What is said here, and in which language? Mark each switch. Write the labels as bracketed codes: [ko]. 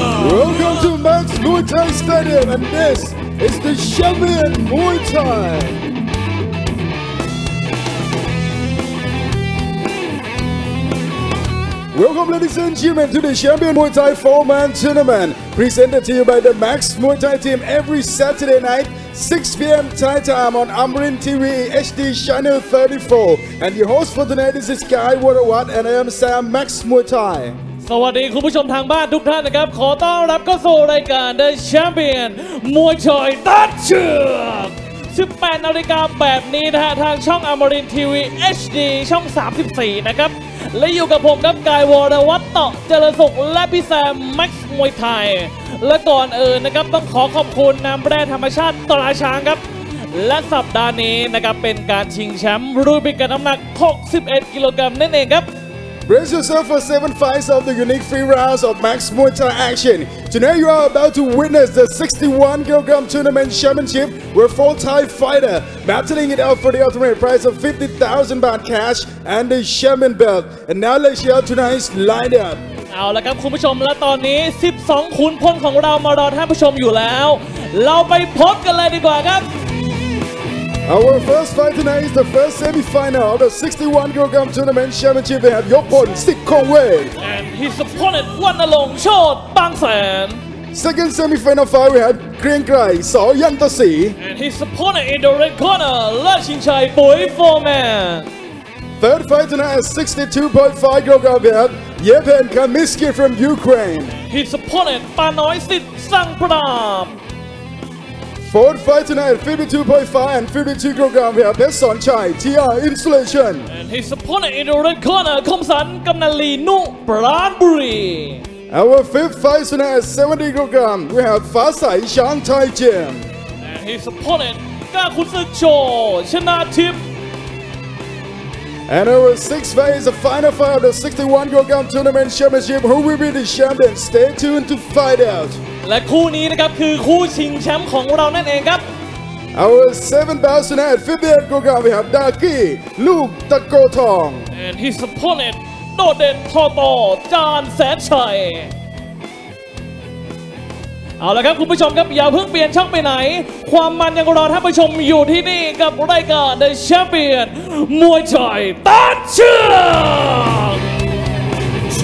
[en] Welcome to Max Muay Thai Stadium and this is The Champion Muay ThaiWelcome, ladies and gentlemen, to the Champion Muay Thai 4-man tournament presented to you by the Max Muay Thai team every Saturday night, 6 p.m. Thai time on Amrin TV HD Channel 34. And your host for tonight is Sky Warawat, and I am Sam Max Muay Thai. [th] สวัสดีคุณผู้ชมทางบ้านทุกท่านนะครับขอต้อนรับเข้าสู่รายการ The Champion Muay Thai ตัดเชือก18 นาฬิกาแบบนี้นะฮะทางช่อง Amrin TV HD ช่อง34นะครับและอยู่กับผมกับกายวรวัฒน์ต่อเจริญสุขและพี่แซมแม็กซ์มวยไทยและก่อนอื่นนะครับต้องขอขอบคุณน้ำแร่ธรรมชาติตราช้างครับและสัปดาห์นี้นะครับเป็นการชิงแชมป์รุ่นพิกัดน้ำหนัก61กิโลกรัมนั่นเองครับ [en] Brace yourself for 7 fights of the unique free rounds of Max Muay Thai action Today you are about to witness the 61 kilogram tournament championship where four Thai fighter battling it out for the ultimate prize of 50,000 baht cash and the champion belt And now let's hear tonight's lineup [th] เอาละครับคุณผู้ชมและตอนนี้12ขุนพลของเรามารอท่านผู้ชมอยู่แล้วเราไปพบกันเลยดีกว่าครับ [en] Our first fight tonight is the first semi-final of the 61 kilogram tournament championship. They have Yopon Sikkongwei and his opponent Wan Along Chot Bang San. Second semi-final fight we had Krieng Krai So Yan Ta Si and his opponent in the red corner Le Ching Chai Boy Foreman. Third fight tonight is 62.5 kilogram we have Yevhen Kamisky from Ukraine. His opponent Pan Noi Sit Sang Pram. Fourth fight tonight, 52.5 and 52 kilograms, we have Pesson Chai, TR Insulation. And his opponent in the red corner, Khomsan Kamnali Nu Pranburi. Our fifth fight tonight is 70 kilograms, we have Phasai Shang Thai Jim. And his opponent, Ka Khun Sik Cho, Chana Thip. And our sixth fight is the final fight of the 61 kilogram tournament championship, who will be the champion? Stay tuned to find out. [th] และคู่นี้นะครับคือคู่ชิงแชมป์ของเรานั่นเองครับ [en] Our 7 bouts tonight 58 kilograms we have Daki Luk Takotong And his opponent Doden Toto Jan Sanchai [th] เอาละครับคุณผู้ชมครับอย่าเพิ่งเปลี่ยนช่องไปไหนความมันยังรอท่านผู้ชมอยู่ที่นี่กับรายการ The Champion มวยไทยตัดเชือก